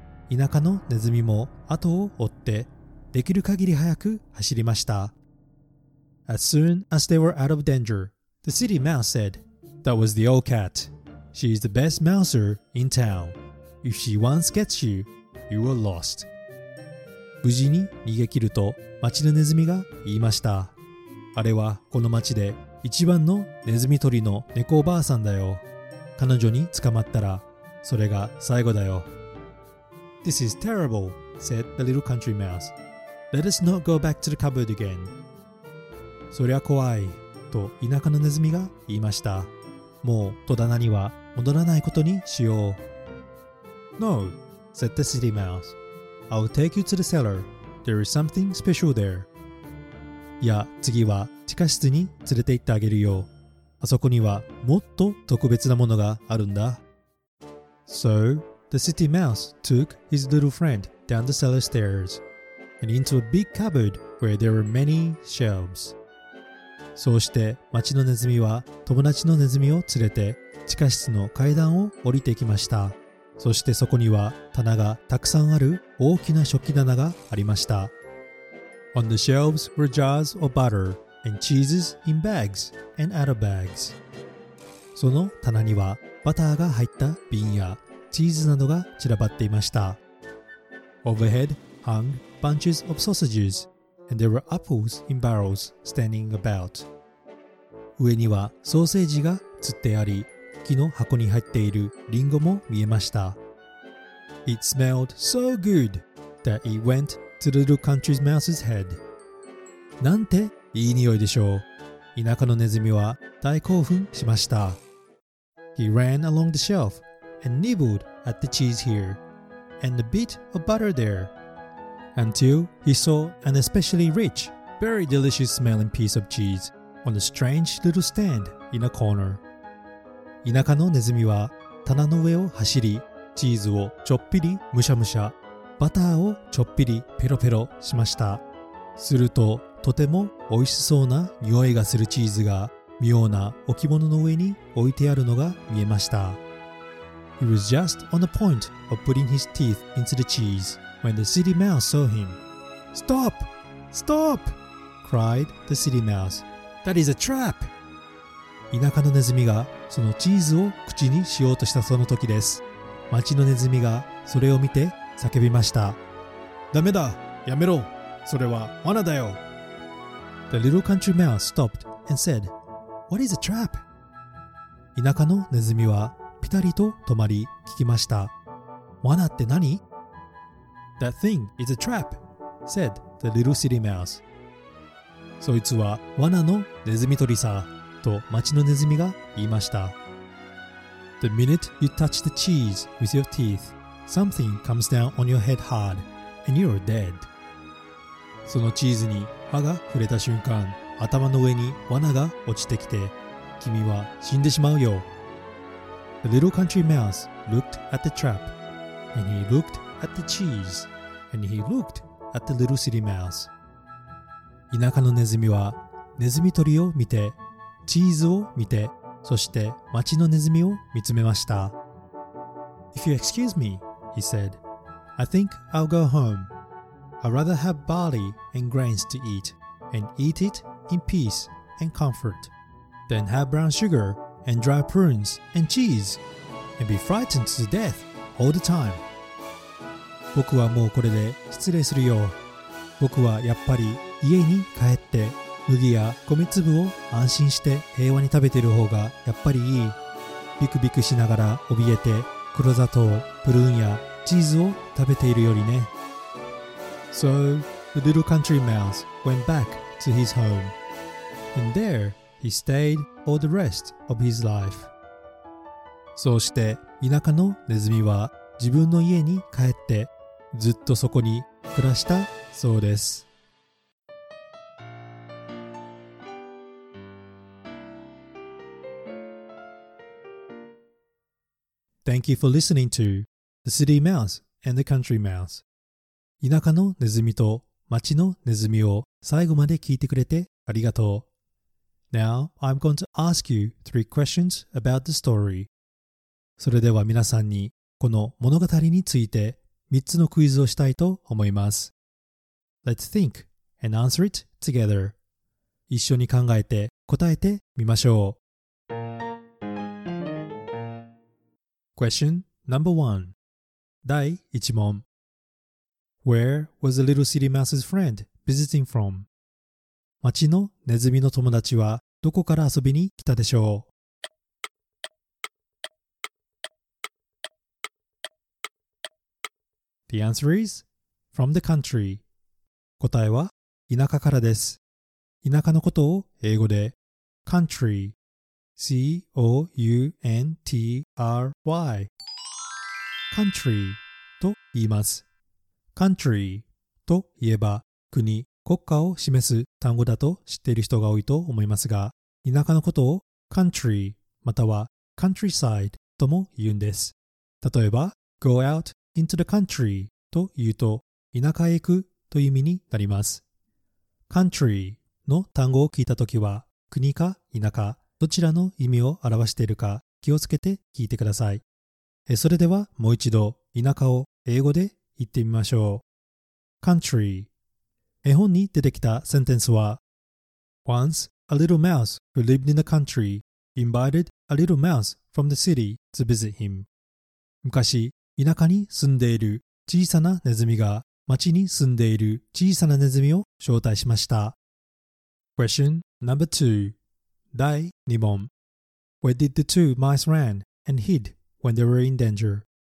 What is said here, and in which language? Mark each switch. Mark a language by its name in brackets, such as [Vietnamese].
[Japanese] 田舎のネズミも後を追ってできる限り速く走りました。 [English] As soon as they were out of danger, the city mouse said, That was the old cat. She is the best mouser in town. If she once gets you, you are lost. [Japanese] 無事に逃げ切ると町のネズミが言いました。あれはこの町で一番のネズミ捕りの猫おばあさんだよ。彼女に捕まったらそれが最後だよ。 [English] This is terrible, said the little country mouse. Let us not go back to the cupboard again. [Japanese] そりゃ怖いと田舎のネズミが言いました。もう戸棚には戻らないことにしよう。 [English] No, said the city mouse. I'll take you to the cellar. There is something special there. [Japanese] いや、次は地下室に連れて行ってあげるよ。あそこにはもっと特別なものがあるんだ。 [English] So, the city mouse took his little friend down the cellar stairs and into a big cupboard where there were many shelves. [Japanese] そうして町のネズミは友達のネズミを連れて地下室の階段を降りていきました。そしてそこには棚がたくさんある大きな食器棚がありました。 [English] On the shelves were jars of butter and cheeses in bags and out of bags. [Japanese] その棚にはバターが入った瓶やチーズなどが散らばっていました。 [English] Overhead hung bunches of sausages and there were apples in barrels standing about. [Japanese] 上にはソーセージが吊ってあり、木の箱に入っているリンゴも見えました。 [English] It smelled so good that it went to the little country mouse's head. [Japanese] なんていい匂いでしょう。田舎のネズミは大興奮しました。 [English] He ran along the shelf and nibbled at the cheese here and a bit of butter there until he saw an especially rich, very delicious smelling piece of cheese on a strange little stand in a corner. [Japanese] 田舎のネズミは棚の上を走り、チーズをちょっぴりむしゃむしゃ、バターをちょっぴりペロペロしました。すると、とても美味しそうな匂いがするチーズが、妙な置物の上に置いてあるのが見えました。 [English] He was just on the point of putting his teeth into the cheese when the city mouse saw him. Stop! Stop! cried the city mouse. That is a trap! [Japanese] 田舎のネズミがそのチーズを口にしようとしたその時です。町のネズミがそれを見て叫びました。ダメだ、やめろ、それは罠だよ。 [English] The little country mouse stopped and said, What is a trap? [Japanese] 田舎のネズミはピタリと止まり聞きました。罠って何? [English] That thing is a trap, said the little city mouse. [Japanese] そいつは罠のネズミ捕りさ。と町のネズミが言いました。 [English] The minute you touch the cheese with your teeth, something comes down on your head hard, and you're dead. [Japanese] そのチーズに歯が触れた瞬間、頭の上に罠が落ちてきて、君は死んでしまうよ。 [English] The little country mouse looked at the trap, and he looked at the cheese, and he looked at the little city mouse. [Japanese] 田舎のネズミはネズミ捕りを見て、チーズを見て、そして町のネズミを見つめました。 [English] If you excuse me, he said, I think I'll go home. I'd rather have barley and grains to eat, and eat it in peace and comfort, than have brown sugar and dry prunes and cheese, and be frightened to death all the time. [Japanese] 僕はもうこれで失礼するよ。僕はやっぱり家に帰って、麦や米粒を安心して平和に食べている方がやっぱりいい。ビクビクしながら怯えて黒砂糖、プルーンやチーズを食べているよりね。 [English] So, the little country mouse went back to his home. And there, he stayed all the rest of his life. [Japanese] そうして田舎のネズミは自分の家に帰ってずっとそこに暮らしたそうです。 [English] Thank you for listening to The City Mouse and the Country Mouse. [Japanese] 田舎のネズミと町のネズミを最後まで聞いてくれてありがとう。 [English] Now, I'm going to ask you three questions about the story. [Japanese] それでは皆さんにこの物語について3つのクイズをしたいと思います。 [English] Let's think and answer it together. [Japanese] 一緒に考えて答えてみましょう。 [English] Question number one. [Japanese] 第一問 [English] Where was the little city mouse's friend visiting from? [Japanese] 町のネズミの友達はどこから遊びに来たでしょう? [English] The answer is from the country. [Japanese] 答えは田舎からです。田舎のことを英語で country. [English] C-O-U-N-T-R-Y [Japanese] Country と言います。 country といえば国、国家を示す単語だと知っている人が多いと思いますが、田舎のことを country または countryside とも言うんです。例えば、 [English] go out into the country [Japanese] と言うと、田舎へ行くという意味になります。 country の単語を聞いたときは、国か田舎、どちらの意味を表しているか気をつけて聞いてください。それではもう一度田舎を英語で言ってみましょう。 [English] country。 [Japanese] 絵本に出てきたセンテンスは、 [English] Once a little mouse who lived in the country invited a little mouse from the city to visit him. [Japanese] 昔、田舎に住んでいる小さなネズミが町に住んでいる小さなネズミを招待しました。 [English] Question number two. [Japanese] 第2問。 [English] Where did the two mice run and hid when they were in danger?